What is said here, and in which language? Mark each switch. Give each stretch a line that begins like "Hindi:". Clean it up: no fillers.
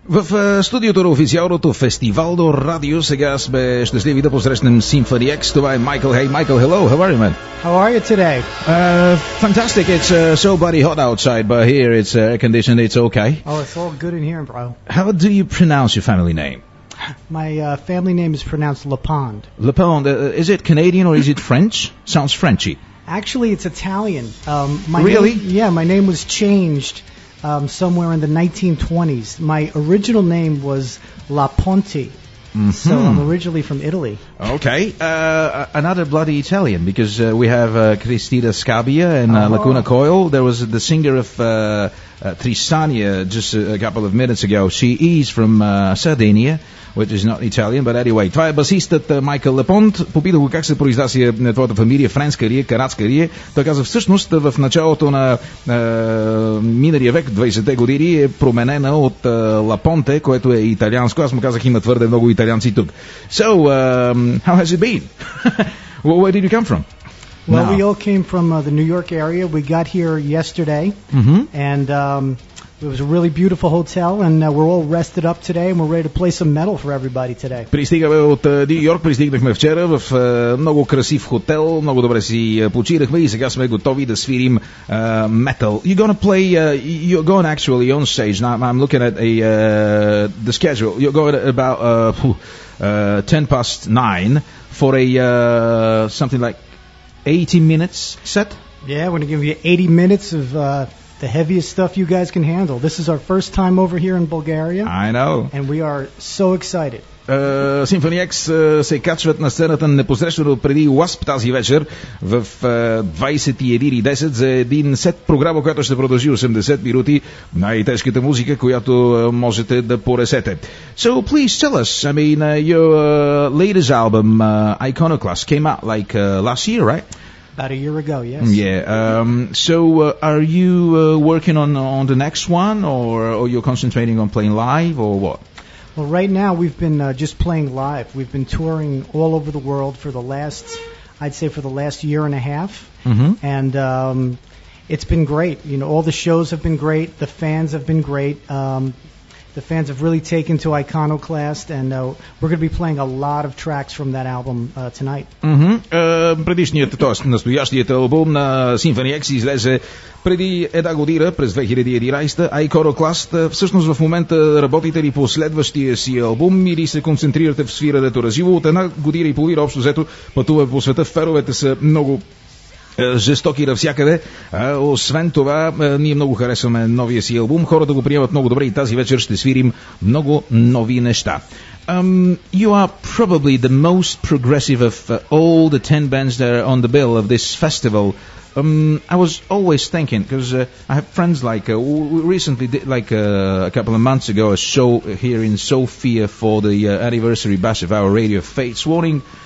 Bulgarian: В студиото на официалното фестивал до радио сега сме щастливи да посрещнем Symphony X. Това е Michael.
English: Hey, Michael, hello. How are you, man? How are you today? Fantastic. It's so bloody hot outside, but here it's air-conditioned. It's okay. Oh, it's all good in here, bro. How do you pronounce your family name? My family name is pronounced LePond. LePond. Is it Canadian or is it French? Sounds Frenchy. Actually, it's Italian. Really? My name was changed somewhere in the 1920s. My original name was La Ponte. Mm-hmm. So I'm originally from Italy. Okay. Another bloody Italian, because we have Cristina Scabbia and Lacuna Coil. There was the singer of Tristania just a couple of minutes ago. She is from Sardinia, which is not Italian, but anyway.
Bulgarian: Това е басистът Майкъл Лепонт. Попитах го как се произнася на твоята фамилия, френска ли е, канадска ли е. Той каза, всъщност, в началото на миналия век, 20-те години, е променена от Лапонте, което е италианско. Аз му казах, има твърде много италианци тук.
English: So, how has it been? Well, where did you come from? Well, now, we all came from the New York area. We got here yesterday. Mm-hmm. And it was a really beautiful hotel, and we're all rested up today, and we're ready to play some metal for everybody today.
Bulgarian: Пристигаме от Нью-Йорк, пристигнахме вчера в много красив хотел, много добре си почирахме и сега сме готови да свирим metal.
English: You're going actually on stage now. I'm looking at the schedule. You're going about 9:10 for a something like 80 minutes set? Yeah, we're going to give you 80 minutes of the heaviest stuff you guys can handle. This is our first time over here in Bulgaria. I know. And we are so excited.
Bulgarian: Symphony X се качват на сцената непосредствено преди WASP тази вечер в 21:10 за един сет програма, която ще продължи 80 минути. Най-тежката музика, която можете да поресете.
English: So please tell us, I mean, your latest album, Iconoclast, came out like last year, right? About a year ago, yes. Yeah. So are you working on the next one, or you're concentrating on playing live, or what? Well, right now we've been just playing live. We've been touring all over the world for the last, I'd say, for the last year and a half. Mm-hmm. And it's been great. You know, all the shows have been great. The fans have been great. The fans have really taken to Iconoclast, and we're going to be playing a lot of tracks from that album tonight.
Bulgarian: Mm-hmm. Предишният, т.е. настоящият албум на Symphony X излезе преди една година, през 2011-та, Iconoclast. Всъщност в момента работите ли по следващия си албум или се концентрирате в свирането разиво? От една година и половина общо взето пътува по света. Феновете са много жестоки навсякъде. Освен това, ние много харесваме новия си албум. Хората го приемат много добре и тази вечер ще свирим много нови неща.
English: You are probably the most progressive of all the 10 bands that are on the bill of this festival. I was always thinking, because I have friends like, we recently did like a couple of months ago a show here in Sofia for the anniversary bash of our Radio Fates Warning.